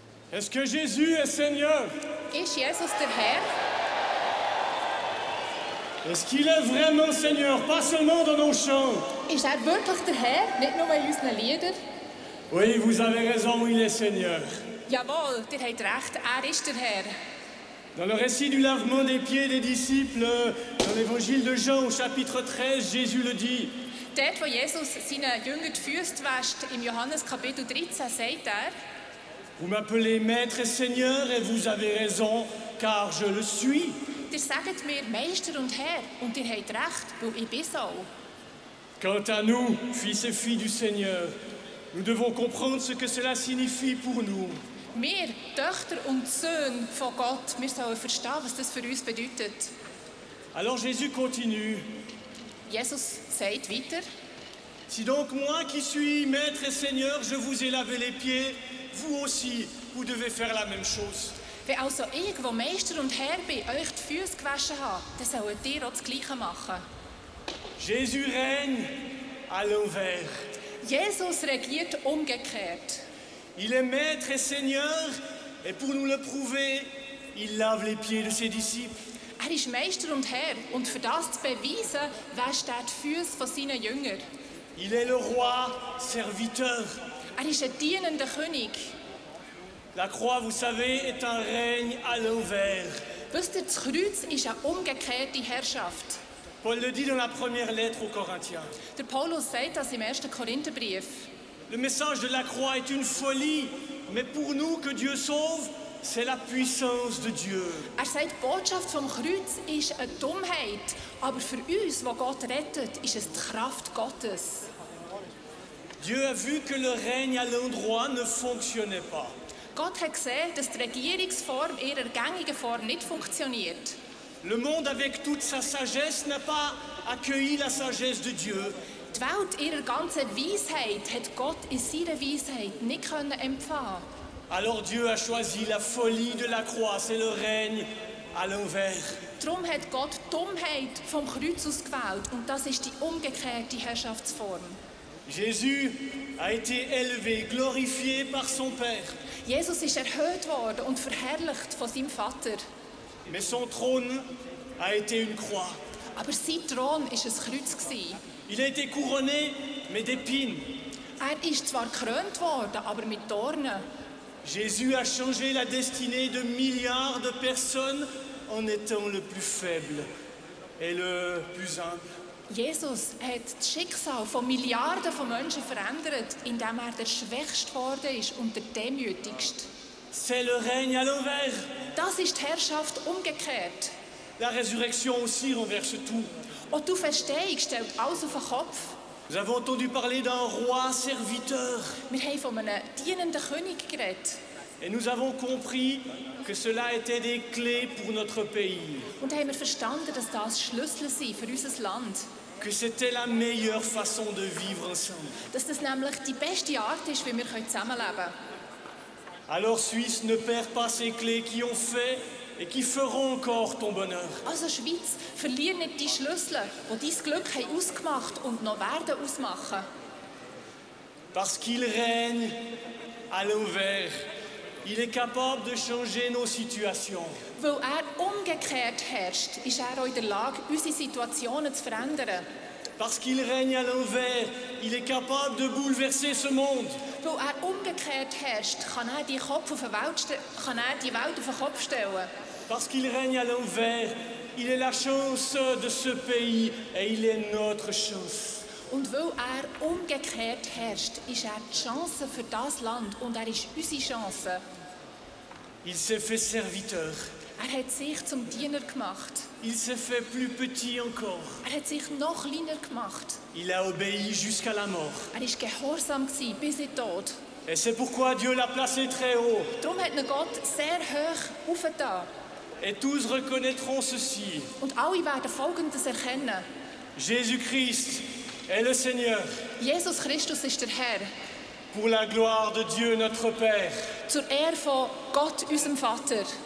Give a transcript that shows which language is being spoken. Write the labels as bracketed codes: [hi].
[fr] Est-ce que Jésus est Seigneur? [de] Ist Jesus der Herr? [fr] Est-ce qu'il est vraiment Seigneur, pas seulement dans nos chants? [de] Ist er wirklich der Herr, nicht nur in unseren Liedern? [fr] Oui, vous avez raison, il est Seigneur. [de] Jawohl, ihr habt recht, er ist der Herr. [fr] Dans le récit du lavement des pieds des disciples, dans l'évangile de Jean, au chapitre 13, Jésus le dit. [de] Dort, wo Jesus seinen Jüngern die Füße wäscht, im Johannes Kapitel 13, sagt er, [fr] Vous m'appelez Maître et Seigneur et vous avez raison, car je le suis. [de] Ihr sagt mir Meister und Herr und ihr habt recht, weil ich bin so. [fr] Quant à nous, fils et filles du Seigneur, nous devons comprendre ce que cela signifie pour nous. [de] Wir, Töchter und Söhne von Gott, wir sollen verstehen, was das für uns bedeutet. [fr] Alors Jésus continue. [de] Jesus sagt weiter. [fr] Si donc moi qui suis Maître et Seigneur, je vous ai lavé les pieds, Vous aussi, vous devez faire la même chose. [de] Wenn also ich, wo Meister und Herr bin, euch die Füße gewaschen habe, dann sollt ihr auch das Gleiche machen. [fr] Jésus règne à l'envers. [de] Jesus regiert umgekehrt. [fr] Il est maître et seigneur, et pour nous le prouver, il lave les pieds de ses disciples. [de] Er ist Meister und Herr, und für das zu beweisen, wäscht er die Füße von seinen Jüngern. [fr] Il est le roi serviteur. [de] Er ist ein dienender König. [fr] La croix, vous savez, est un règne à l'envers. [de] Wisst ihr, das Kreuz ist eine umgekehrte Herrschaft. [fr] Paul le dit dans la première lettre aux Corinthiens. [de] Der Paulus sagt das im 1. Korintherbrief. [fr] Le message de la croix est une folie, mais pour nous que Dieu sauve, c'est la puissance de Dieu. [de] Er sagt, die Botschaft vom Kreuz ist eine Dummheit, aber für uns, die Gott rettet, ist es die Kraft Gottes. [fr] Dieu a vu que le règne à l'endroit ne fonctionnait pas. [de] Gott hat gesehen, dass die Regierungsform ihrer gängigen Form nicht funktioniert. [fr] Le monde avec toute sa sagesse n'a pas accueilli la sagesse de Dieu. [de] Die Welt ihrer ganzen Weisheit hat Gott in seiner Weisheit nicht können empfangen. [fr] Alors Dieu a choisi la folie de la croix, c'est le règne à l'envers. [de] Drum hat Gott die Dummheit vom Kreuz ausgewählt und das ist die umgekehrte Herrschaftsform. [fr] Jésus a été élevé, glorifié par son Père. [de] Jesus ist erhöht worden und verherrlicht von seinem Vater. [fr] Mais son trône a été une croix. [de] Aber sein Thron ist ein Kreuz gsi. [fr] Il a été couronné, mais d'épines. [de] Er ist zwar gekrönt worden, aber mit Dornen. [fr] Jésus a changé la destinée de milliards de personnes en étant le plus faible et le plus humble. [de] Jesus hat das Schicksal von Milliarden von Menschen verändert, indem er der Schwächste geworden ist und der Demütigste. [fr] C'est le règne à l'envers. [de] Das ist die Herrschaft umgekehrt. [fr] La résurrection aussi renverse tout. [de] Auch die Auferstehung stellt alles auf den Kopf. [fr] Nous avons entendu parler d'un roi serviteur. [de] Wir haben von einem dienenden König geredet. [fr] Et nous avons compris que cela était des clés pour notre pays. [de] Und haben wir verstanden, dass das Schlüssel sind für unser Land. [fr] Que c'était la meilleure façon de vivre ensemble. [de] Dass das nämlich die beste Art ist, wie wir zusammenleben können. [fr] Alors Suisse ne perd pas ses clés qui ont fait et qui feront encore ton bonheur. [de] Also Schweiz, verlier nicht die Schlüssel, die dein Glück haben ausgemacht und noch werden ausmachen. [fr] Parce qu'il règne à l'envers. Il est capable de changer nos situations. [de] Weil er umgekehrt herrscht, ist er auch in der Lage, unsere Situationen zu verändern. [fr] Parce qu'il règne à l'envers, il est capable de bouleverser ce monde. [de] Weil er umgekehrt herrscht, kann er die Welt auf den Kopf stellen. [fr] Parce qu'il règne à l'envers, il est la chance de ce pays et il est notre chance. [de] Und weil er umgekehrt herrscht, ist er die Chance für das Land und er ist unsere Chance. [fr] Il s'est fait serviteur. [de] Er hat sich zum Diener gemacht. [fr] Il s'est fait plus petit encore. [de] Er hat sich noch kleiner gemacht. [fr] Il a obéi jusqu'à la mort. [de] Er ist gehorsam gewesen bis in den Tod. [fr] Et c'est pourquoi Dieu l'a placé très haut. [de] Darum hat ihn Gott sehr hoch aufgetan. [fr] Et tous reconnaîtront ceci. [de] Und alle werden Folgendes erkennen. [fr] Jésus-Christ est le Seigneur. [de] Jesus Christus ist der Herr. [fr] Pour la gloire de Dieu notre Père. [de] Zur Ehre von Gott, unserem Vater.